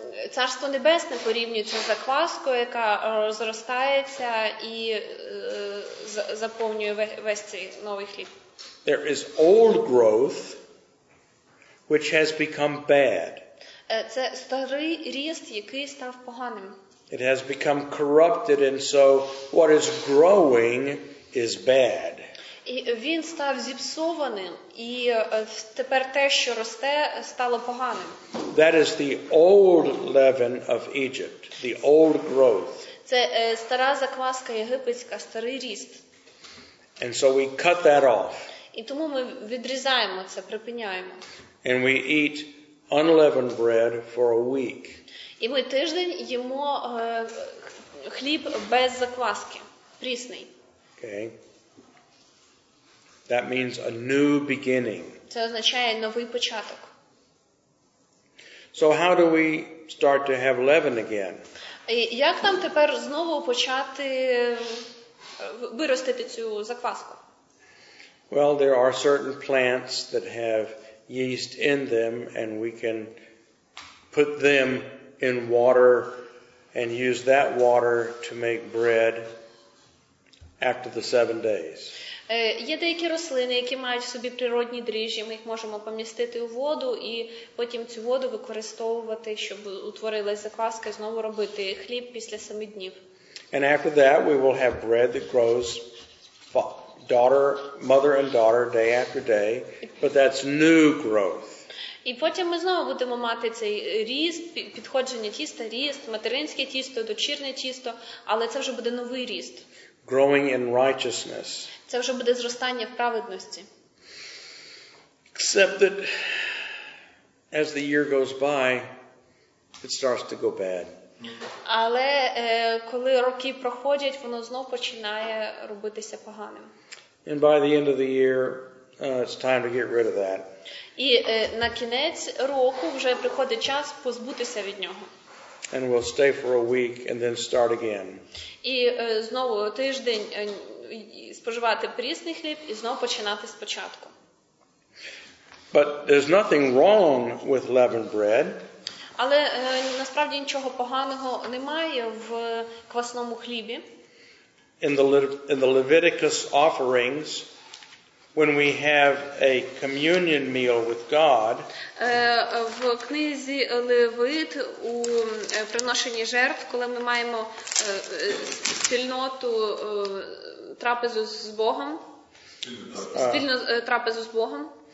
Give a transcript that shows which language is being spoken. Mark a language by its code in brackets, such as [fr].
[uk] Царство небесне порівнюється з закваскою, яка розростається і заповнює весь цей новий хліб. [en] There is old growth which has become bad. [uk] Це старий ріст, який став поганим. [en] It has become corrupted, and so what is growing is bad. [uk] І він став зіпсованим, і тепер те, що росте, стало поганим. [en] That is the old leaven of Egypt, the old growth. [uk] Це стара закваска єгипетська, старий ріст. [en] And so we cut that off. [uk] І тому ми відрізаємо це, припиняємо. [en] And we eat unleavened bread for a week. [uk] І ми тиждень їмо хліб без закваски, прісний. [en] Okay. That means a new beginning. [uk] Це означає новий початок. [en] So how do we start to have leaven again? [uk] І як нам тепер знову почати виростити цю закваску? [en] Well, there are certain plants that have yeast in them and we can put them in water and use that water to make bread after the 7 days. [uk] Є деякі рослини, які мають в собі природні дріжджі, ми їх можемо помістити у воду і потім цю воду використовувати, щоб утворилась закваска, знову робити хліб після 7 днів. [en] And after that we will have bread that grows daughter, mother and daughter day after day, but that's new growth. [uk] І потім ми знову будемо мати цей ріст, підходження тіста, ріст, материнське тісто, дочірнє тісто, але це вже буде новий ріст. [en] Growing in righteousness. [uk] Це вже буде зростання в праведності. [en] Except that as the year goes by, it starts to go bad. [uk] Але коли роки проходять, воно знов починає робитися поганим. [en] And by the end of the year, it's time to get rid of that. [uk] І на кінець року вже приходить час позбутися від нього. [en] And we'll stay for a week and then start again. [uk] І знову тиждень споживати прісний хліб і знову починати спочатку. [en] But there's nothing wrong with leavened bread. [uk] Але насправді нічого поганого немає в квасному хлібі. [en] In the Leviticus offerings, when we have a communion meal with God, [uk] в книзі Левит у приношенні жертв, коли ми маємо спільноту трапезу з Богом, спільну трапезу з Богом.